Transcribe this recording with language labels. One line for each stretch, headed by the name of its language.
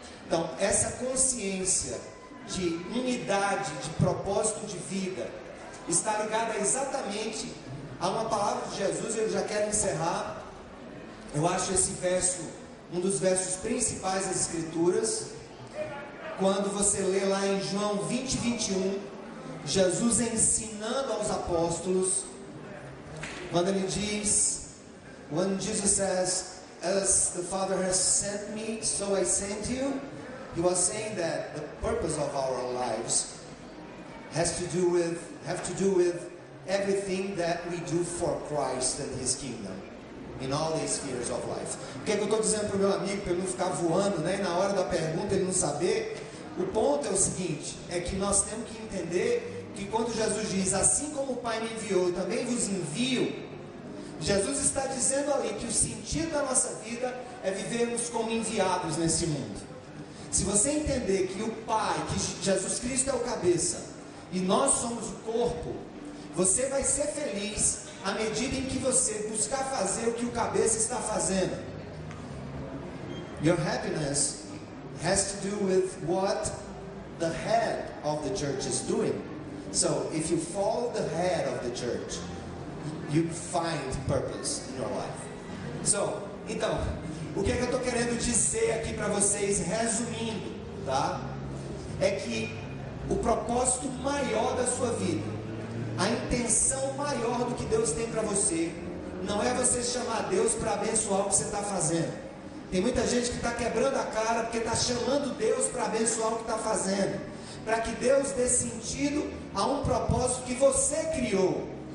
Portuguese: Então, essa consciência de unidade, de propósito de vida, está ligada exatamente a uma palavra de Jesus. Eu já quero encerrar. Eu acho esse verso um dos versos principais das Escrituras. Quando você lê lá em João 20, 21, Jesus ensinando aos apóstolos, quando ele diz,
English: when Jesus says, as the Father has sent me, so I sent you, he was saying that the purpose of our lives have to do with everything that we do for Christ and his kingdom in all the spheres of life.
Portuguese: O que eu estou dizendo para o meu amigo, para ele não ficar voando, né? E na hora da pergunta ele não saber, o ponto é o seguinte: é que nós temos que entender que quando Jesus diz, assim como o Pai me enviou, eu também vos envio, Jesus está dizendo ali que o sentido da nossa vida é vivermos como enviados nesse mundo. Se você entender que o Pai, que Jesus Cristo é o cabeça e nós somos o corpo, você vai ser feliz à medida em que você buscar fazer o que o cabeça está fazendo.
English: Your happiness has to do with what the head of the church is doing. So, if you follow the head of the church, you find purpose in your life.
Portuguese: Então, o que é que eu estou querendo dizer aqui para vocês, resumindo, tá? É que o propósito maior da sua vida, a intenção maior do que Deus tem para você, não é você chamar Deus para abençoar o que você está fazendo. Tem muita gente que está quebrando a cara porque está chamando Deus para abençoar o que está fazendo, para que Deus dê sentido a um propósito que você criou.